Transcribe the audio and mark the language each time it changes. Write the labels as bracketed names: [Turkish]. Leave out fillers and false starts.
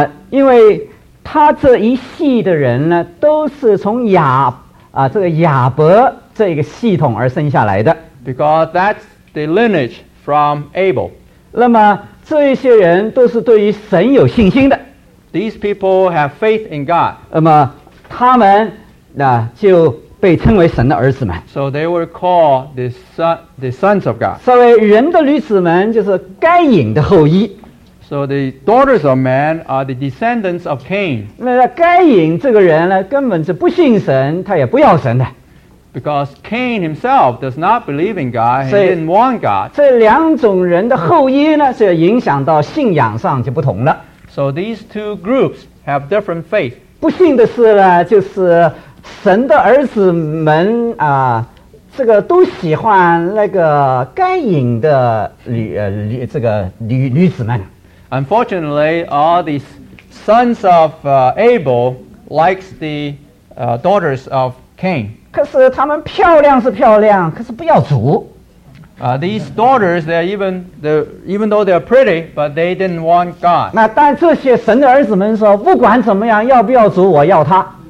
[Chinese] 因为他这一系的人呢，都是从这个亚伯这个系统而生下来的。 [English] Because that's the lineage from Abel. [Chinese] 那么这一些人都是对于神有信心的。 [English] These people have faith in God. [Chinese] 那么他们就被称为神的儿子们。 [English] So they were called the sons of God. [Chinese] 所谓人的女子们就是该隐的后裔。 [English] So the daughters of man are the descendants of Cain. [Chinese] 那该隐这个人呢，根本是不信神，他也不要神的。 [English] Because Cain himself does not believe in God, he didn't want God. [Chinese] 这两种人的后裔呢，是影响到信仰上就不同了。 [English] So these two groups have different faith. [Chinese] 不信的是呢，就是神的儿子们啊，这个都喜欢那个该隐的这个女子们。 [English] Unfortunately, all these sons of Abel likes the daughters of Cain. [Chinese] 可是她们漂亮是漂亮，可是不要主。 [English] These daughters, even though they're pretty, but they didn't want God. [Chinese] 那但这些神的儿子们说，不管怎么样，要不要主，我要她。